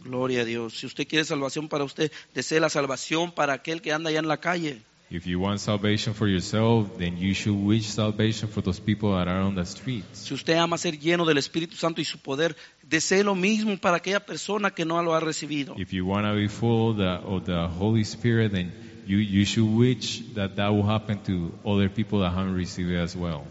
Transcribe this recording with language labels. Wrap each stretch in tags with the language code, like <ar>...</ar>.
<es>Gloria a Dios. Si usted quiere salvación para usted, desee la salvación para aquel que anda allá en la calle.</es> <en>If you want salvation for yourself, then you should wish salvation for those people that are on the streets.</en> <es>Si usted ama ser lleno del Espíritu Santo y su poder, desee lo mismo para aquella persona que no lo ha recibido.</es> <en>If you want to be full of the Holy Spirit, then you should wish that will happen to other people that haven't received it as well.</en>